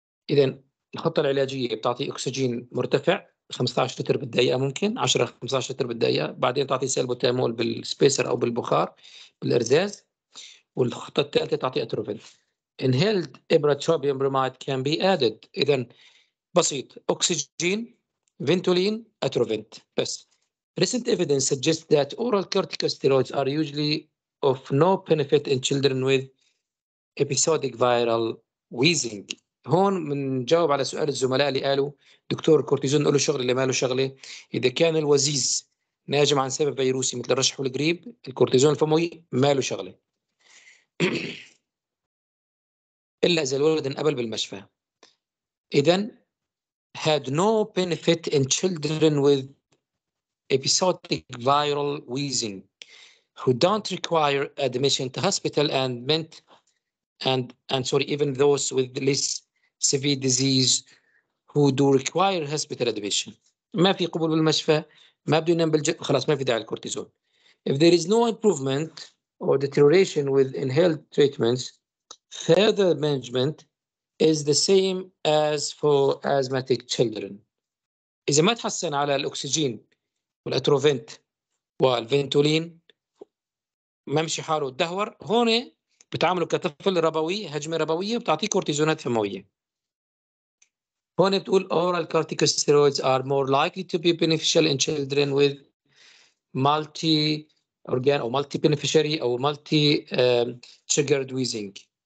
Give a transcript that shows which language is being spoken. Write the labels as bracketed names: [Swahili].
[Arabic] إذن الخطة العلاجية بتعطيه أكسجين مرتفع 15 لتر بالدقيقة، ممكن 10-15 لتر بالدقيقة، بعدين تعطي سالبوتامول بالسبيسر أو بالبخار بالإرزاز. والخطة الثالثة تعطي أتروفين. [English] Inhaled ibratropium bromide can be added. [Arabic] إذن بسيط، أكسجين، فينتولين، أتروفين بس. [English] Recent evidence suggests that oral corticosteroids are usually of no benefit in children with episodic viral wheezing. [Arabic] هون منجاوب على سؤال الزملاء اللي قالوا دكتور الكورتيزون قالوا شغلة اللي ما له شغلة. إذا كان الوزيز ناجم عن سبب فيروسي مثل الرشح والقريب، الكورتيزون الفموي ما له شغلة إلا إذا الولد انقبل بالمشفى. [English] إذن had no benefit in children with episodic viral wheezing who don't require admission to hospital and meant and sorry even those with less severe disease who do require hospital admission. [Arabic] ما في قبول بالمشفى، ما بده ينام بالجو، خلاص ما في داعي الكورتيزون. [English] If there is no improvement or deterioration with inhaled treatments, further management is the same as for asthmatic children. [Arabic] إذا ما تحسن على الأكسجين والأتروفنت والفينتولين ما مشي حاله الدهور، هون بتعامله كطفل ربوي، هجمة ربوية، بتعطيه كورتيزونات فموية. هون بتقول [English] oral corticosteroids are more likely to be beneficial in children with multi-organ أو multi-beneficiary أو multi-triggered wheezing.